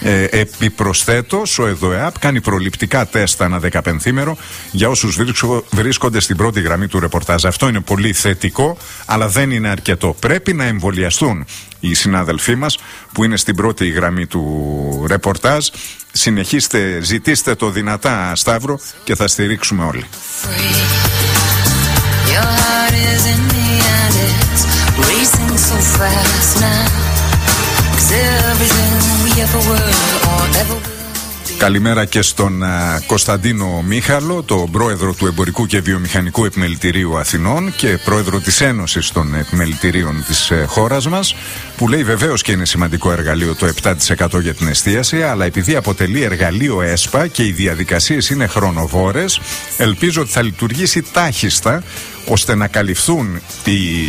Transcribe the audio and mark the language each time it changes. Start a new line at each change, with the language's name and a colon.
Greek: Επιπροσθέτω, ο ΕΔΟΕΑΠ κάνει προληπτικά τεστ ανά δεκαπενθήμερο για όσους βρίσκονται στην πρώτη γραμμή του ρεπορτάζ. Αυτό είναι πολύ θετικό, αλλά δεν είναι αρκετό. Πρέπει να εμβολιαστούν οι συνάδελφοί μας που είναι στην πρώτη γραμμή του ρεπορτάζ. Συνεχίστε, ζητήστε το δυνατά, Σταύρο, και θα στηρίξουμε όλοι.
English: Your heart is in me and it's racing so fast now. 'Cause everything we ever were or ever will.
Greek: Καλημέρα και στον Κωνσταντίνο Μίχαλο, τον πρόεδρο του Εμπορικού και Βιομηχανικού Επιμελητηρίου Αθηνών και πρόεδρο της Ένωσης των Επιμελητηρίων της χώρας μας, που λέει βεβαίως και είναι σημαντικό εργαλείο το 7% για την εστίαση, αλλά επειδή αποτελεί εργαλείο ΕΣΠΑ και οι διαδικασίες είναι χρονοβόρες, ελπίζω ότι θα λειτουργήσει τάχιστα ώστε να καλυφθούν οι